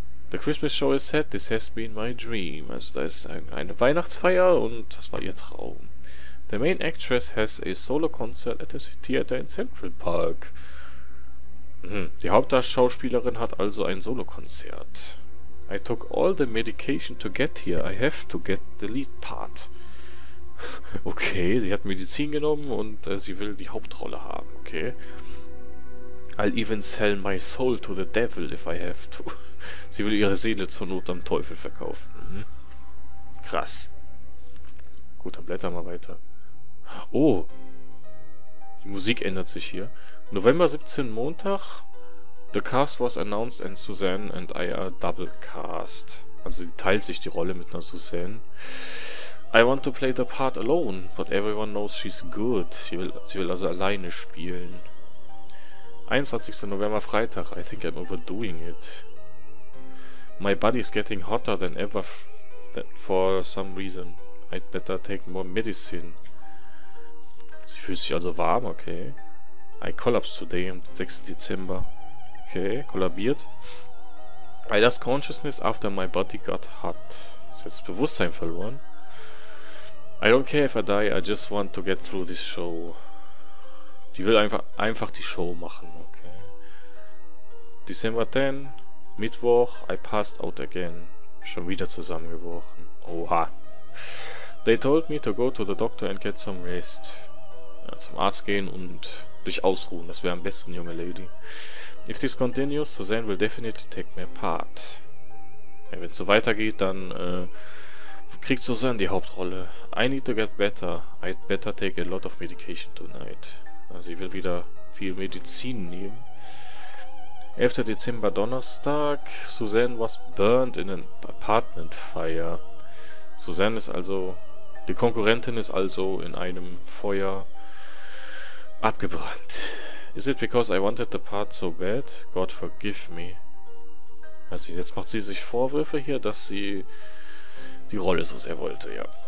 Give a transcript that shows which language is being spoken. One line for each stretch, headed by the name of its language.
English: The Christmas show is set, this has been my dream.
German: Also da ist eine Weihnachtsfeier und das war ihr Traum.
English: The main actress has a solo concert at the theater in Central Park.
German: Die Hauptschauspielerin hat also ein Solokonzert.
English: I took all the medication to get here. I have to get the lead part.
German: Okay, sie hat Medizin genommen und sie will die Hauptrolle haben, okay.
English: I'll even sell my soul to the devil if I have to.
German: Sie will ihre Seele zur Not am Teufel verkaufen. Mhm. Krass. Gut, dann blättern wir weiter. Oh. Die Musik ändert sich hier.
English: November 17, Montag. The cast was announced and Suzanne and I are double cast.
German: Also sie teilt sich die Rolle mit einer Suzanne.
English: I want to play the part alone, but everyone knows she's good.
German: Sie will also alleine spielen. 21. November, Freitag.
English: I think I'm overdoing it. My body's getting hotter than ever for some reason. I'd better take more medicine.
German: Sie fühlt sich also warm, okay.
English: I collapsed today,
German: am 6. Dezember. Okay, kollabiert.
English: I lost consciousness after my body got hot.
German: Ist jetzt Bewusstsein verloren.
English: I don't care if I die, I just want to get through this show.
German: Die will einfach die Show machen, okay.
English: December 10,
German: Mittwoch,
English: I passed out again.
German: Schon wieder zusammengebrochen. Oha.
English: They told me to go to the doctor and get some rest.
German: Ja, zum Arzt gehen und dich ausruhen, das wäre am besten, junge Lady.
English: If this continues, Suzanne will definitely take my part.
German: Ja, wenn es so weitergeht, dann kriegt Suzanne die Hauptrolle.
English: I need to get better. I'd better take a lot of medication tonight.
German: Also ich will wieder viel Medizin nehmen. 11. Dezember, Donnerstag.
English: Suzanne was burned in an apartment fire.
German: Suzanne ist also, die Konkurrentin ist also in einem Feuer abgebrannt.
English: Is it because I wanted the part so bad? God forgive me.
German: Also jetzt macht sie sich Vorwürfe hier, dass sie die Rolle so sehr wollte, ja.